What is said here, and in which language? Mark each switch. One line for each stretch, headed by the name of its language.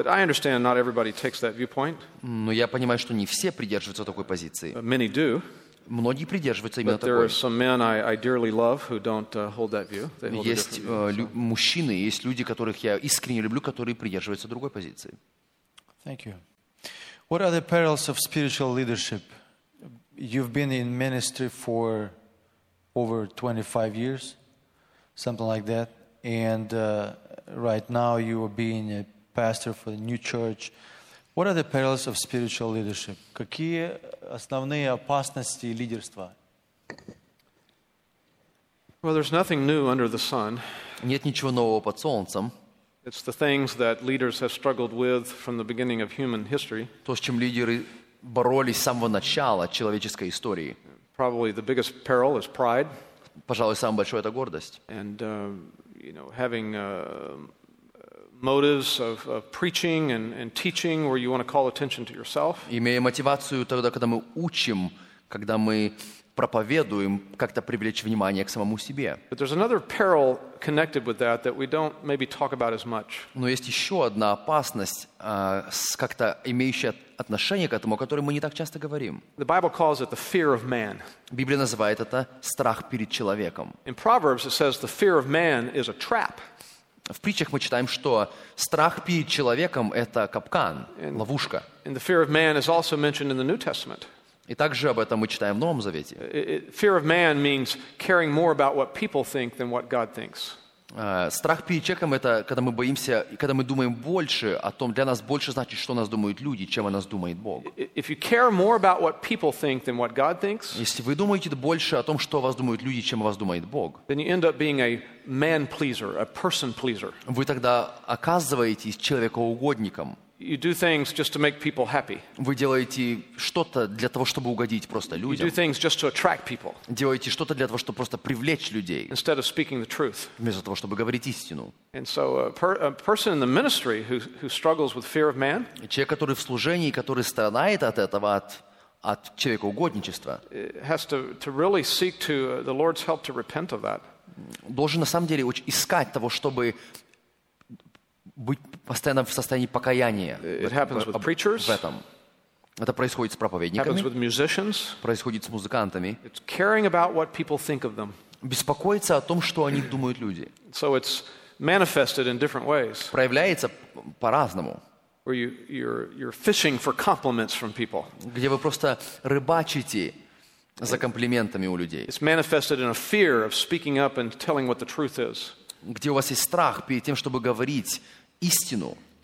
English: But I understand not everybody takes that viewpoint.
Russian: Но я понимаю, что не все придерживаются такой позиции.
English: Many do.
Russian: Многие придерживаются именно такой.
English: But there are some men I dearly love who don't hold that view.
Russian: Есть мужчины, есть люди, которых я искренне люблю, которые придерживаются другой позиции.
English: Thank you. What are the perils of spiritual leadership? You've been in ministry for over 25 years, something like that, and right now you are being a pastor for the new church. What are the perils of spiritual leadership?
Russian: Какие основные опасности лидерства?
English: Well, there's nothing new under the sun.
Russian: Нет ничего нового под солнцем.
English: It's the things that leaders have struggled with from the beginning of human history.
Russian: То, с чем лидеры боролись с самого начала человеческой истории.
English: Probably the biggest peril is pride.
Russian: Пожалуй, самое большое — это гордость.
English: And you know, having motives of preaching and teaching where you want to call attention to yourself.
Russian: Имея мотивацию тогда, когда мы учим, когда мы проповедуем, как-то привлечь внимание к самому себе.
English: But there's another peril connected with that that we don't maybe talk about as much.
Russian: Но есть еще одна опасность, как-то имеющая отношение к этому, о которой мы не так часто говорим.
English: The Bible calls it the fear of man.
Russian: Библия называет это страх перед человеком.
English: In Proverbs it says the fear of man is a trap.
Russian: В притчах мы читаем, что страх перед человеком — это капкан, ловушка.
English: And the fear of man is also mentioned in the New Testament.
Russian: И также об этом мы читаем в Новом Завете.
English: Fear of man means caring more about what people think than what God thinks.
Russian: Страх перед человеком — это когда мы боимся, когда мы думаем больше о том, для нас больше значит, что нас думают люди, чем о нас думает Бог.
English: If you care more about what people think than what God thinks,
Russian: если вы думаете больше о том, что о вас думают люди, чем о вас думает Бог,
English: then you end up being a man pleaser, a person pleaser.
Russian: Вы тогда оказываетесь человекоугодником.
English: You do things just to make people happy.
Russian: Вы делаете что-то для того, чтобы угодить просто людям.
English: You do things just to attract people.
Russian: Делаете что-то для того, чтобы просто привлечь людей.
English: Instead of speaking the truth.
Russian: Вместо того, чтобы говорить истину.
English: And so a person in the ministry who struggles with fear of man.
Russian: Человек, который в служении, который страдает от этого, от человекоугодничества.
English: Has to really seek to the Lord's help to repent of that.
Russian: Должен на самом деле искать того, чтобы быть постоянно в состоянии покаяния.
English: It happens with preachers.
Russian: В этом. Это происходит с проповедниками.
English: Happens with musicians.
Russian: Происходит с музыкантами.
English: It's caring about what people think of them.
Russian: Беспокоиться о том, что о них думают люди.
English: So it's manifested in different ways.
Russian: Проявляется по-разному.
English: Where you're fishing for compliments from people.
Russian: Где вы просто рыбачите за комплиментами у людей.
English: It's manifested in a fear of speaking up and telling what the truth is.
Russian: Где у вас есть страх перед тем, чтобы говорить истину?